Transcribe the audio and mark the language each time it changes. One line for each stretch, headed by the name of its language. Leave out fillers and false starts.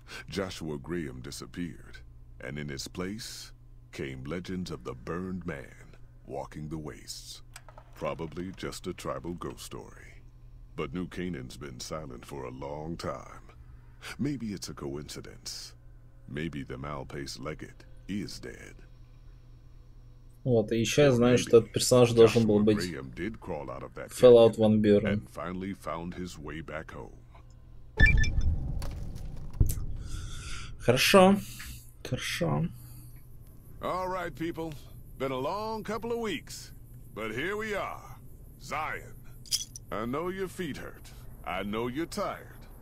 English: Joshua Graham disappeared, and in his place came legends of the burned man walking the wastes. Probably just a tribal ghost story. But New Canaan's been silent for a long time. Maybe it's a coincidence. Maybe the Malpace Legate is dead.
Russian: Вот, и еще я знаю, что этот персонаж должен был быть Fallout Van Buren.
English: And finally found his way back home.
Russian: Хорошо. Хорошо.
English: All right, people. Been a long couple of weeks. But here we are. Zion. I know your feet hurt. I know you're tired.